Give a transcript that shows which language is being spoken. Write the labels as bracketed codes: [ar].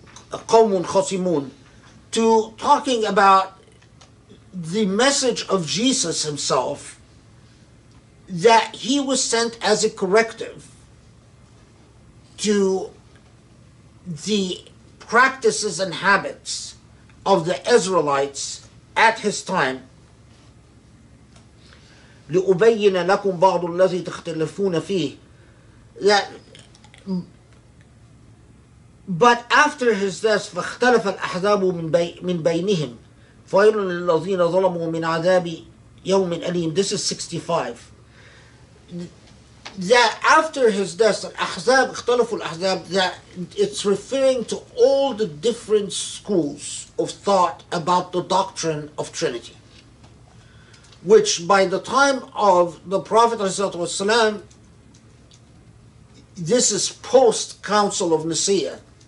[ar] خَصِمُونَ, [en] to talking about the message of Jesus himself, that he was sent as a corrective to the practices and habits of the Israelites at his time. [ar] لِأُبَيِّنَ لَكُمْ بَعْضُ الَّذِي تَخْتَلَفُونَ فِيهِ, [en] that, but after his death, [ar] فَاخْتَلَفَ الْأَحْزَابُ مِنْ بَيْنِهِمْ فَيْلٌ لِلَّذِينَ ظَلَمُوا مِنْ عَذَابِ يَوْمٍ أَلِيمٍ. [en] This is 65. That after his death, [ar] الْأَحْزَابُ اخْتَلَفُوا الْأَحْزَابُ, [en] that it's referring to all the different schools of thought about the doctrine of Trinity, which by the time of the Prophet ﷺ, this is post-Council of Nicaea.